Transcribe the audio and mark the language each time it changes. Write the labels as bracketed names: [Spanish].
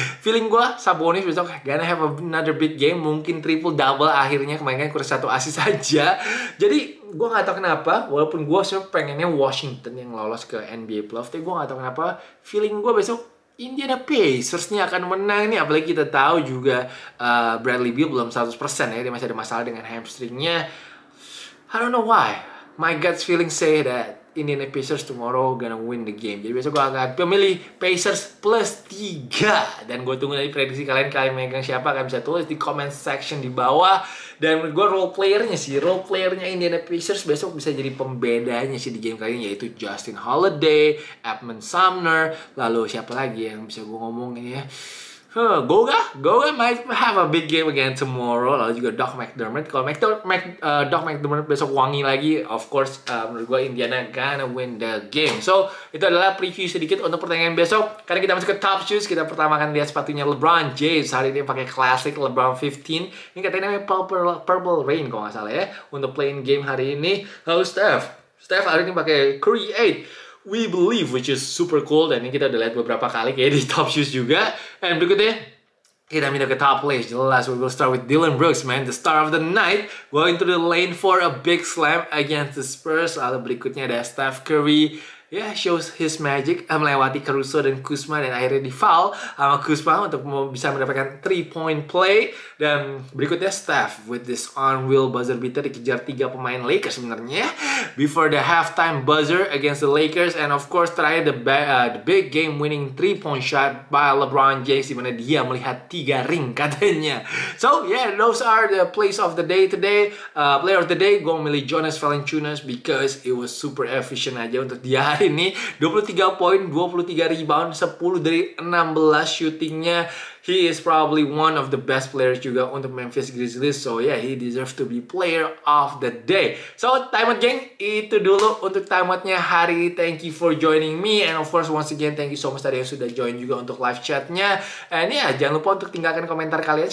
[Indonesian] Feeling gue Sabonis besok [English] gonna have another big game, [Indonesian] mungkin triple double akhirnya, kemarin kan kurang satu assist saja. Jadi gue gak tau kenapa, walaupun gue sebenernya pengennya Washington yang lolos ke NBA playoff, tapi gue gak tau kenapa feeling gue besok Indiana Pacers nih akan menang nih. Apalagi kita tahu juga Bradley Beal belum 100% ya, dia masih ada masalah dengan hamstringnya. [English] I don't know why my gut feeling say that Indiana Pacers tomorrow gonna win the game. [Indonesian] Jadi besok gue akan pilih Pacers plus 3. Dan gue tunggu dari prediksi kalian, kalian megang siapa, kalian bisa tulis di comment section di bawah. Dan gue role playernya Indiana Pacers besok bisa jadi pembedanya sih di game kali ini, yaitu Justin Holiday, Edmund Sumner, lalu siapa lagi yang bisa gue ngomongin ya. [English] Goga might have a big game again tomorrow. [Indonesian] Lalu juga Doc McDermott. Kalau Doc McDermott besok wangi lagi, [English] of course, [Indonesian] menurut gue Indiana [English] gonna win the game. [Indonesian] So, itu adalah preview sedikit untuk pertandingan besok. Karena kita masuk ke top shoes, kita pertama akan lihat sepatunya LeBron James. Hari ini pakai classic LeBron 15. Ini katanya namanya Purple Rain, kalau nggak salah ya. Untuk [English] playing game [Indonesian] hari ini. Lalu Steph. Steph hari ini pakai Curry 8. [English] We believe, which is super cool. [Indonesian] Dan ini kita udah lihat beberapa kali kayak di top shoes juga. And berikutnya kita minta ke top place. [English] Jelas we will start with Dylan Brooks, man, the star of the night, going to the lane for a big slam against the Spurs. [Indonesian] Lalu berikutnya ada Steph Curry. Yeah, [English] shows his magic, [Indonesian] melewati Caruso dan Kuzma, dan akhirnya di foul sama Kuzma untuk bisa mendapatkan 3-point play. Dan berikutnya Steph [English] with this unreal buzzer beater, [Indonesian] dikejar 3 pemain Lakers sebenarnya [English] before the halftime buzzer against the Lakers. And of course terakhir the big game winning 3-point shot by LeBron James, [Indonesian] dimana dia melihat 3 ring katanya. [English] So yeah, those are the plays of the day today. Player of the day [Indonesian] gue milih [English] Jonas Valanciunas because it was super efficient [Indonesian] aja untuk dia hari ini. 23 poin, 23 rebound, 10 dari 16 shootingnya. [English] He is probably one of the best players [Indonesian] juga untuk [English] Memphis Grizzlies. So yeah, he deserves to be player of the day. [Indonesian] So timeout geng, itu dulu untuk timeoutnya hari ini. [English] Thank you for joining me. And of course once again thank you so much [Indonesian] tadi yang sudah join juga untuk live chatnya. And yeah, jangan lupa untuk tinggalkan komentar kalian.